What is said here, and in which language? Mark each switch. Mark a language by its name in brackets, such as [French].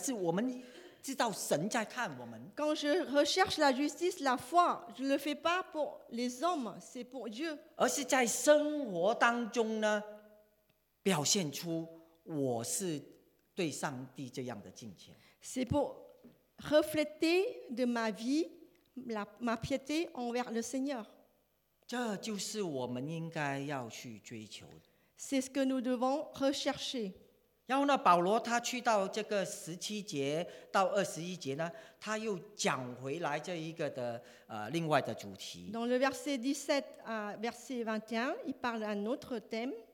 [Chinese] 我做这个justice，做这个la foi，这不是做给人看的，是我们知道神在看我们。 [French] Quand je recherche la justice, la foi, je ne le fais pas pour les hommes, c'est pour Dieu. [Chinese] 而是在生活当中呢，表现出。我是对上帝这样的敬虔 [French] C'est pour refléter de ma vie ma piété envers le Seigneur [Chinese] 这就是我们应该要去追求的 [French] C'est ce que nous devons rechercher [Chinese] 然后呢保罗他去到这个17节到21节呢 他又讲回来这一个的另外的主题 [French] Dans le verset 17 à verset 21 il parle d'un autre thème